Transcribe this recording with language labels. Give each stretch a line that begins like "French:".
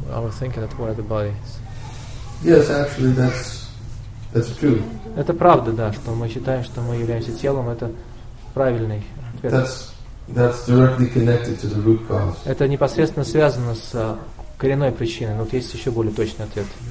English: Our thinking that we are the body. Yes, actually, that's true.
Russian: Это правда, да, что мы считаем, что мы являемся телом, это правильный ответ.
English: That's directly connected to the root cause.
Russian: Это непосредственно связано с коренной причиной, но вот есть еще более точный ответ.